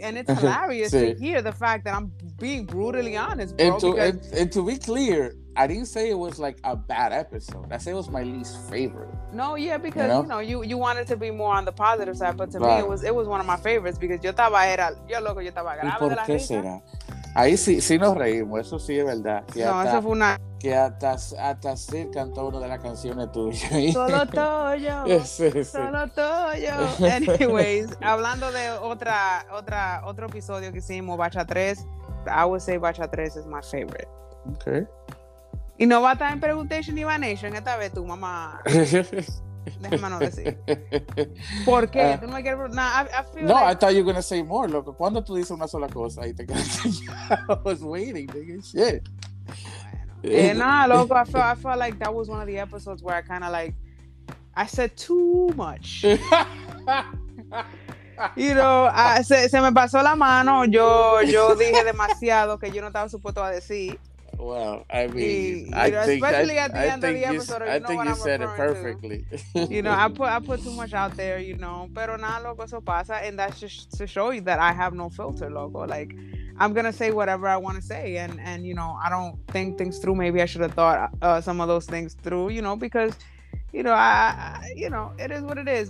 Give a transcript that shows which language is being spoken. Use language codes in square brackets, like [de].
[en] And it's hilarious to hear the fact that I'm being brutally honest, bro. And to be clear, I didn't say it was like a bad episode. I said it was my least favorite. No, yeah, because you wanted to be more on the positive side, but me it was one of my favorites, because [es] yo estaba grave de la risa. ¿Por qué será? Ahí sí nos reímos, eso sí es verdad. Que no, hasta, eso fue una... Que hasta sí cantó una de las canciones tuyas. Solo toyo, solo toyo. Anyways, hablando de otro episodio que hicimos, Bacha 3, [en] I would say Bacha 3 is my favorite. Okay. [es] Y no va a estar en Preguntation y Vanation esta vez, tu mamá. Déjame no decir. ¿Por qué? Tú no me quieres... [en] I thought you were going to say more, loco. [es] ¿Cuándo tú dices una sola cosa y te quedas? [en] I was waiting, nigga. Shit. [es] Bueno. Nah, loco. [en] I felt like that was one of the episodes where I kind of like... I said too much. You know, [es] se me pasó la mano. Yo dije demasiado que yo no estaba supuesto a decir. [en] Well, I mean, I think you said it perfectly. You know, I put too much out there, you know. [es] Pero nada, loco, eso pasa. [en] And that's just to show you that I have no filter, loco. Like, I'm going to say whatever I want to say. And you know, I don't think things through. Maybe I should have thought some of those things through, you know, because, you know, I it is what it is.